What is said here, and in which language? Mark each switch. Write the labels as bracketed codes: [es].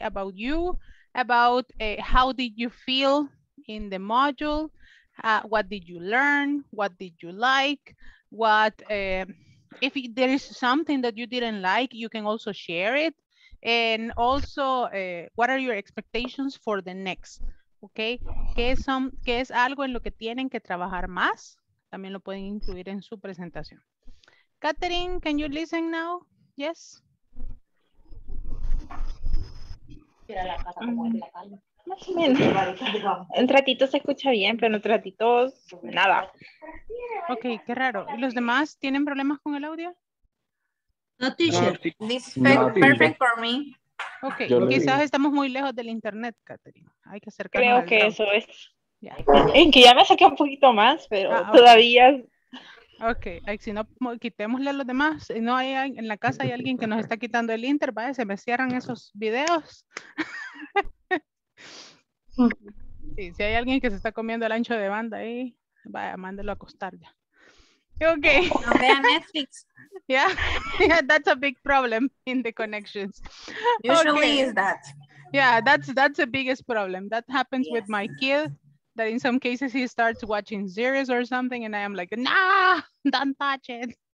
[en] About you, about how did you feel in the module? What did you learn? What did you like? What, if there is something that you didn't like, you can also share it. And also, what are your expectations for the next, okay? [es] ¿Qué es algo en lo que tienen que trabajar más? También lo pueden incluir en su presentación. Catherine, [en] can you listen now? Yes. [es] Más o menos. Un ratito se escucha bien, pero en otro ratito, nada. Ok, qué raro. ¿Los demás tienen problemas con el audio? [en] No, teacher. This is perfect for me. [es] Ok, quizás estamos muy lejos del internet, Catherine. Hay que acercarnos. Creo que eso es. Yeah. En que ya me saqué un poquito más, pero todavía... Ok, si no, quitémosle a los demás. No hay, en la casa hay alguien que nos está quitando el inter, ¿vale? Se me cierran esos videos. Sí, si hay alguien que se está comiendo el ancho de banda ahí, vaya, mándelo a acostar ya. Ok. No vea Netflix. [en] Yeah, that's a big problem in the connections. Usually okay. Is that. Yeah, that's the biggest problem. That happens, yes, with my kid. That in some cases he starts watching series or something and I am like, nah, don't touch it.